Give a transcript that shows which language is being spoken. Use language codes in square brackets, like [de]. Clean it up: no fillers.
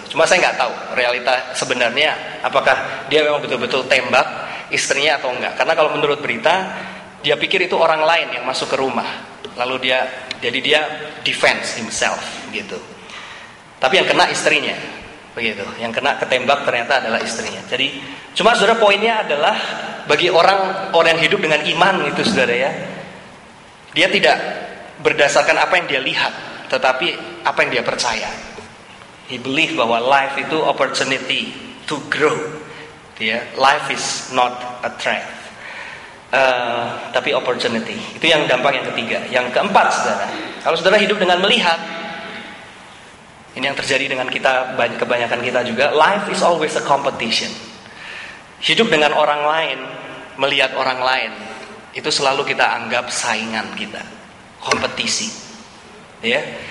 [id] Cuma saya nggak tahu realita sebenarnya apakah dia memang betul-betul tembak istrinya atau enggak, karena kalau menurut berita dia pikir itu orang lain yang masuk ke rumah lalu dia jadi dia [en] defense himself [id] gitu, tapi yang kena istrinya. Begitu, yang kena ketembak ternyata adalah istrinya. Jadi, cuma saudara, poinnya adalah bagi orang-orang yang hidup dengan iman itu, saudara ya, dia tidak berdasarkan apa yang dia lihat, tetapi apa yang dia percaya. [en] He believe bahwa life itu opportunity to grow. Ya, life is not a threat, [id] tapi [en] opportunity. [id] Itu yang dampak yang ketiga. Yang keempat, saudara, kalau saudara hidup dengan melihat, ini yang terjadi dengan kita, kebanyakan kita juga, [en] life is always a competition. [id] Hidup dengan orang lain, melihat orang lain, itu selalu kita anggap saingan kita, kompetisi. Ya.